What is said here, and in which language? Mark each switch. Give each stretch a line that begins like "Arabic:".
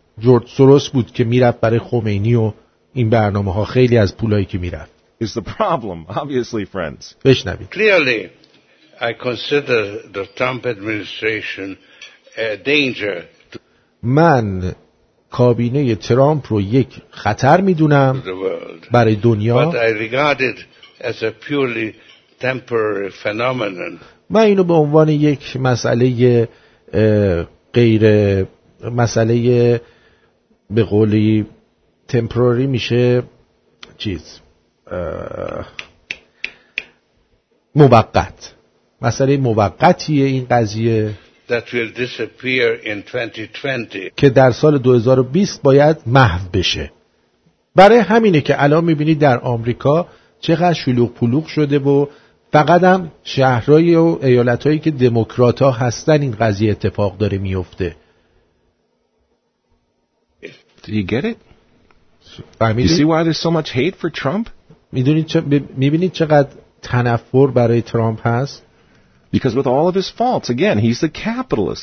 Persian: جورج سوروس بود که میرفت برای خمینی و این برنامه ها خیلی از پولایی که میرفت.
English: Is the problem obviously friends.
Persian: بشنوید.
English: Clearly I consider the Trump administration a danger.
Persian: من کابینه ترامپ رو یک خطر میدونم برای دنیا.
English: But I regard it as a purely temporary phenomenon.
Persian: من اینو به عنوان یک مسئله غیر مسئله به قولی تمپروری میشه چیز موقت مسئله موقتیه این قضیه
English: that will disappear in 2020.
Persian: که در سال 2020 باید محو بشه برای همینه که الان میبینید در آمریکا چقدر شلوغ پلوغ شده و فقط هم شهرهای و ایالتهایی که دموکرات ها هستن این قضیه اتفاق داره میفته
English: Do you get it? You see why there's so much hate for Trump?
Persian: میبینید چقدر تنفر برای ترامپ هست؟
English: Because with all of his faults, again, he's the capitalist.